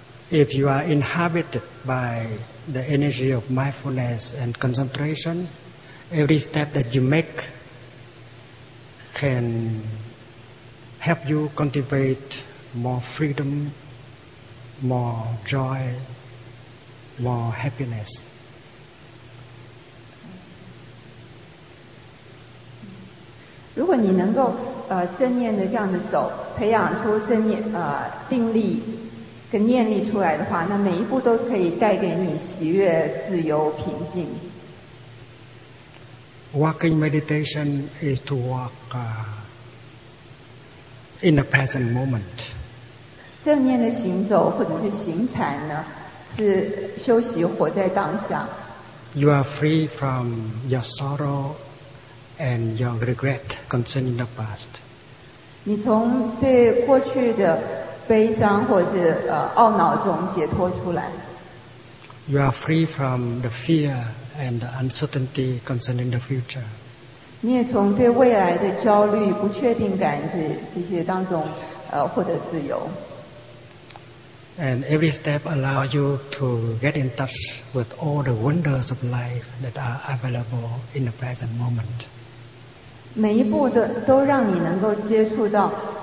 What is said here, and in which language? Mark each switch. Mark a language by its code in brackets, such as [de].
[en] If you are inhabited by the energy of mindfulness and concentration, every step that you make can help you cultivate more freedom, more joy, more happiness. [zh] 如果你能够正念的这样子走，培养出正念定力。跟念力出来的话，那每一步都可以带给你喜悦、自由、平静。 [en] Walking meditation is to walk in the present moment. [zh] 正念的行走或者是行禅呢，是休息活在当下。 [en] You are free from your sorrow and your regret concerning the past. [zh] 你从对过去的悲伤或者是懊恼中解脱出来。 [en] You are free from the fear and the uncertainty concerning the future. [zh] 你也从对未来的焦虑、不确定感这些当中获得自由。 [en] And every step allows you to get in touch with all the wonders of life that are available in the present moment. [zh] 每一步都让你能够接触到。